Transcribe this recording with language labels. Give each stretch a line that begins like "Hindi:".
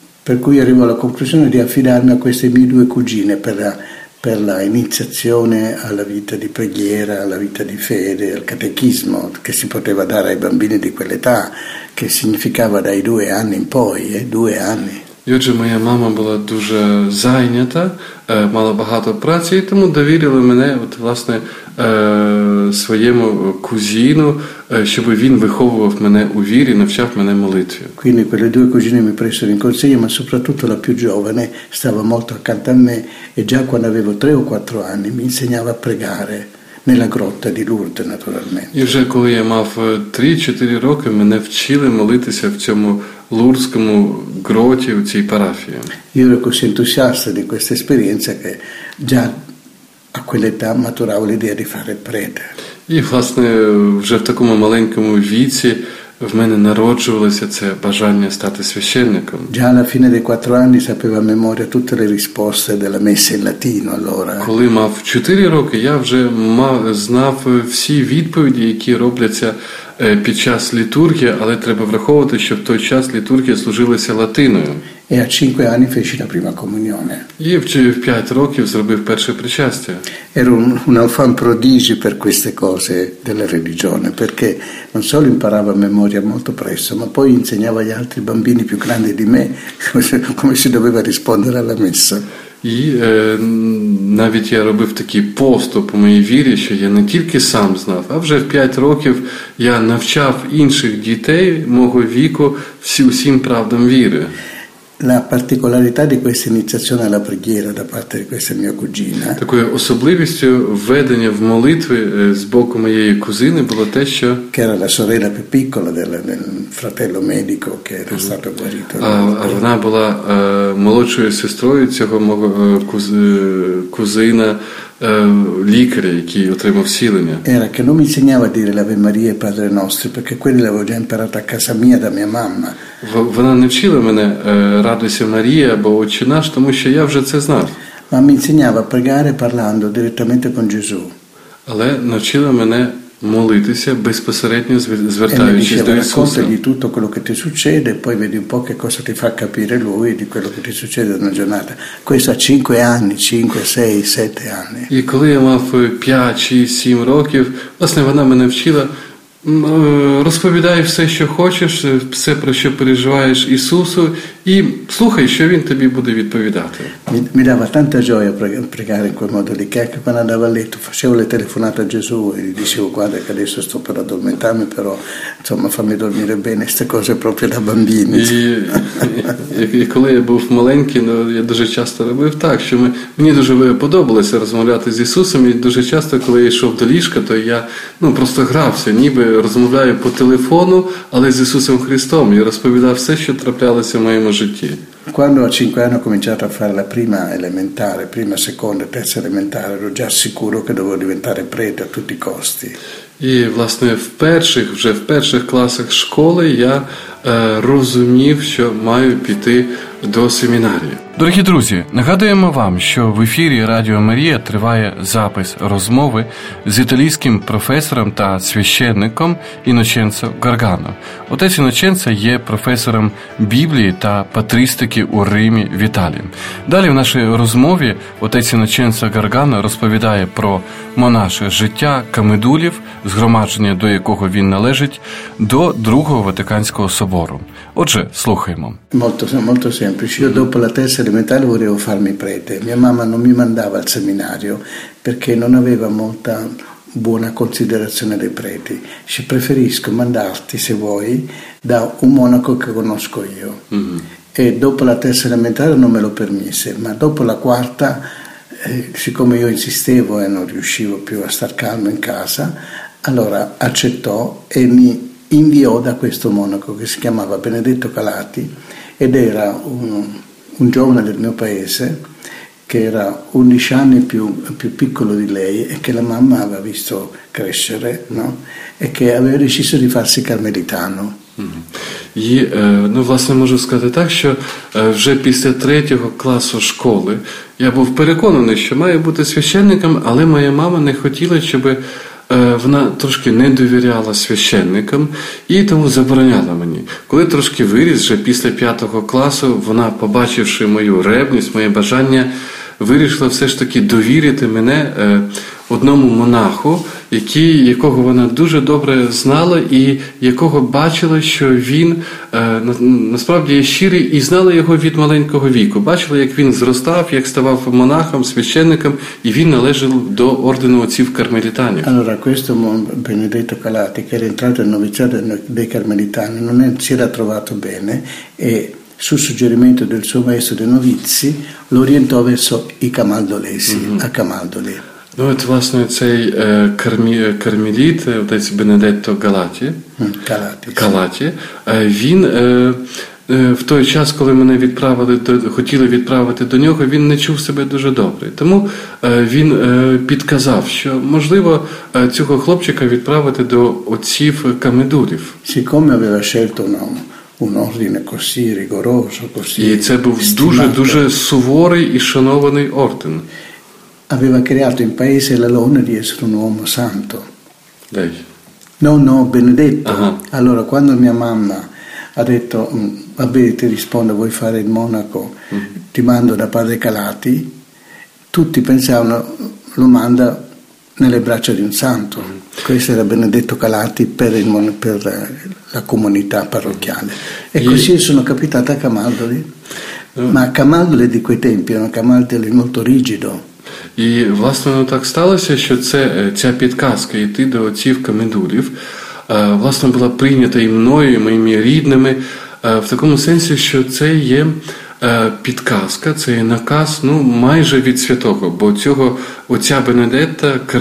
Italian: per cui arrivo alla conclusione di affidarmi a queste mie due cugine per la iniziazione alla vita di preghiera, alla vita di fede, al catechismo che si poteva dare ai bambini di quell'età, che significava dai 2 anni in poi, 2 anni.
Ukrainian: І отже, моя мама була дуже зайнята, мала багато праці, і тому довірила мене от, власне, своєму кузіну, щоб він виховував мене у вірі, навчав мене молитві.
Italian: Quindi quelle due cugine mi presero in consiglio, ma soprattutto la più giovane stava molto accanto a me e già quando avevo 3 o 4 anni mi insegnava a pregare nella grotta di Lourdes, naturalmente.
Ukrainian: І вже коли я мав 3-4 роки, мене вчили молитися в цьому Лурському гроті, у цій парафії.
Italian: Io ero così entusiasta di questa esperienza che già a quell'età maturavo l'idea di fare prete.
Ukrainian: І, власне, вже в такому маленькому віці в мене народжувалося це бажання стати священником.
Italian: Già alla fine dei 4 anni sapevo a memoria tutte le risposte della messa in latino allora.
Ukrainian: Коли мав 4 роки, я вже знав всі відповіді, які робляться під час літургії, але треба враховувати, що в той час літургія служилася латиною.
Italian: E a 5 anni feci la prima comunione.
Ukrainian: І в 5 років зробив перше причастя.
Italian: Ero un enfant prodigio per queste cose della religione, perché non solo imparava a memoria molto presto, ma poi insegnava agli altri bambini più grandi di me come si doveva rispondere alla messa.
Ukrainian: І навіть я робив такий поступ у моїй вірі, що я не тільки сам знав, а вже в 5 років я навчав інших дітей мого віку усім правдам віри.
Italian: La particolarità di questa iniziazione alla preghiera da parte di questa mia cugina.
Ukrainian: Такою особливістю введення в молитви з боку моєї кузини було те, що
Italian: che era la sorella più piccola del fratello medico che era stato guarito.
Ukrainian: Вона була молодшою сестрою цього мого кузина лікаря, який отримав зцілення.
Italian: Era che non mi insegnava a dire l'Ave Maria e Padre Nostro, perché quelli l'avevo già imparato a casa mia da mia mamma.
Ukrainian: Вона не вчила мене радуйся Марія або Отче наш, тому що я вже це знав.
Italian: Ma mi insegnava a pregare parlando direttamente con Gesù.
Ukrainian: Але навчила мене молитися безпосередньо звертаючись до Ісуса.
Italian: E mi diceva, raccontagli tutto quello che ti succede, poi vedi un po' che cosa ti fa capire lui di quello che ti succede nella giornata. Questo a 5 anni, 5, 6, 7 anni.
Ukrainian: І коли я мав 5 чи 7 років, власне, вона мене вчила: розповідай все, що хочеш, все, про що переживаєш Ісусу, і слухай, що Він тобі буде відповідати.
Italian: Mi dava tanta gioia pregare in quel modo lì, che anche quando andavo a letto facevo le telefonate a Gesù e gli dicevo: guarda che adesso sto per addormentarmi, però insomma fammi dormire bene, queste cose proprio da bambini.
Ukrainian: І коли я був маленький, ну, я дуже часто робив так, що мені дуже подобалося розмовляти з Ісусом, і дуже часто, коли я йшов до ліжка, то я, ну, просто грався, ніби розмовляю по телефону, але з Ісусом Христом, і розповідав все, що траплялося в моєму житті.
Italian: Quando a 5 anni ho cominciato a fare la prima elementare, prima, seconda, terza elementare, ero già sicuro che dovevo diventare prete a tutti i costi.
Ukrainian: І, власне, вже в перших класах школи я розумів, що маю піти до семінарії. Дорогі друзі, нагадуємо вам, що в ефірі Радіо Марія триває запис розмови з італійським професором та священником Іноченцо Гаргано. Отець Іноченцо є професором Біблії та патристики у Римі в Італії. Далі в нашій розмові отець Іноченцо Гаргано розповідає про монаше життя камедулів, згромадження до якого він належить, до Другого Ватиканського собору. Отже, слухаємо.
Italian: Molto semplice. Io dopo la terza elementare volevo farmi prete. Mia mamma non mi mandava al seminario perché non aveva molta buona considerazione dei preti. Ci preferisco mandarti, se vuoi, da un monaco che conosco io. Mm-hmm. E dopo la terza elementare non me lo permise, ma dopo la quarta, siccome io insistevo e non riuscivo più a star calmo in casa, allora accettò e mi inviò da questo monaco che si chiamava Benedetto Calati ed era un giovane del mio paese che era 11 anni più piccolo di lei e che la mamma aveva visto crescere, no? E che aveva deciso di farsi carmelitano.
Ukrainian: І, ну, власне, можу сказати так, що вже після 3 класу школи я був переконаний, що маю бути священником, але моя мама не хотіла, щоб вона трошки не довіряла священникам і тому забороняла мені. Коли трошки виріс, вже після 5 класу, вона, побачивши мою ревність, моє бажання, вирішила все ж таки довірити мене одному монаху, якого вона дуже добре знала і якого бачила, що він насправді є щирий, і знала його від маленького віку. Бачила, як він зростав, як ставав монахом, священником, і він належав до ордену отців кармелітанів.
Italian: Allora, questo Benedetto Calati, che era entrato in noviziato dei Carmelitani, non si era trovato bene e su suggerimento del suo maestro dei novizi lo orientò verso i Camaldolesi, a Camaldoli.
Ukrainian: Ну, от, власне, цей карміліт, отець Бенедетто Галаті, Калаті, він в той час, коли мене хотіли відправити до нього, він не чув себе дуже добре. Тому він підказав, що, можливо, цього хлопчика відправити до отців Камедулів.
Italian: Siccome aveva scelto un ordine così rigoroso, così
Ukrainian: і це був дуже-дуже суворий і шанований орден.
Italian: Aveva creato in paese l'alone di essere un uomo santo. Lei? No, Benedetto. Allora, quando mia mamma ha detto, va bene, ti rispondo, vuoi fare il monaco, ti mando da padre Calati, tutti pensavano, lo manda nelle braccia di un santo. Questo era Benedetto Calati per la comunità parrocchiale. E così sono capitato a Camaldoli. Ma Camaldoli di quei tempi era un Camaldoli molto rigido.
Ukrainian: І, власне, ну, так сталося, що ця підказка йти до отців Камедулів, власне, була прийнята і мною, і моїми рідними, в такому сенсі, що це є підказка, це є наказ, ну, майже від святого, бо цього отця Бенедетта,